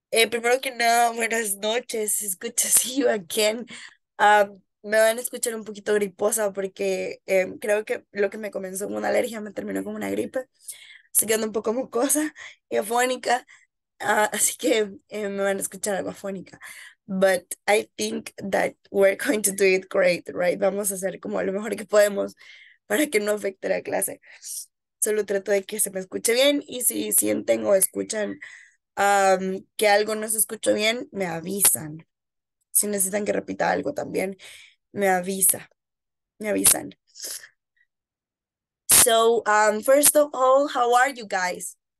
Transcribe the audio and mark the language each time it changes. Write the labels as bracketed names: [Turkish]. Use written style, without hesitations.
[Spanish] Primero que nada, buenas noches. Escuchas [English] you again. [Spanish] Me van a escuchar un poquito griposa porque creo que lo que me comenzó con una alergia me terminó con una gripe. Así que ando un poco mucosa y afónica. Así que me van a escuchar algo afónica. [English] But I think that we're going to do it great, right? [Spanish] Vamos a hacer como lo mejor que podemos para que no afecte la clase. Solo trato de que se me escuche bien y si sienten o escuchan que algo no se escuchó bien, me avisan. Si necesitan que repita algo también, me avisa. Me avisan. [English] So, first of all, how are you guys?